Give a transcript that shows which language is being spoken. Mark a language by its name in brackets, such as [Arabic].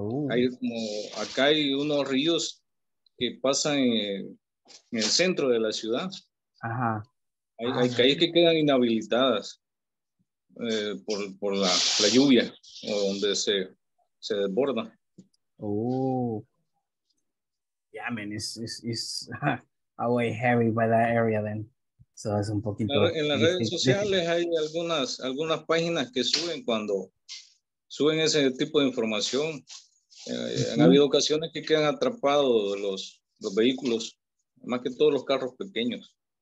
[Spanish] Hay como acá hay unos ríos que pasan en el centro de la ciudad. Ajá. Hay calles que quedan inhabilitadas por la lluvia o donde se desborda. Oh. [English] Yeah, man, it's way heavy by that area then. [Spanish] So es un poquito en las redes sociales hay algunas páginas que suben cuando suben ese tipo de información. Uh-huh. Han habido ocasiones que quedan atrapados los vehículos, más que todos los carros pequeños.